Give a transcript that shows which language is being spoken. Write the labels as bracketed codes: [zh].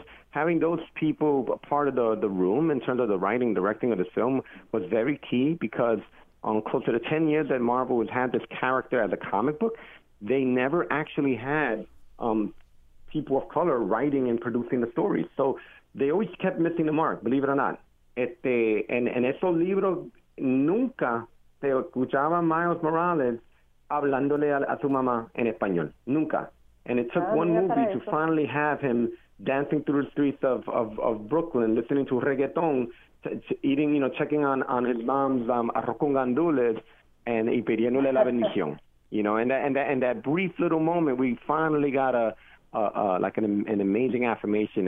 [en] Having those people a part of the room in terms of the writing, directing of the film was very key, because on closer to 10 years that Marvel has had this character as a comic book, they never actually had people of color writing and producing the stories. So they always kept missing the mark, believe it or not. And [es] esos libros nunca se escuchaba Miles Morales hablándole a su mamá en español. Nunca. [en] And it took one movie to finally have him dancing through the streets of Brooklyn, listening to reggaeton, eating, you know, checking on his mom's arroz con gandules [es] y pidiéndole la bendición. [en] You know, and that brief little moment, we finally got an amazing affirmation.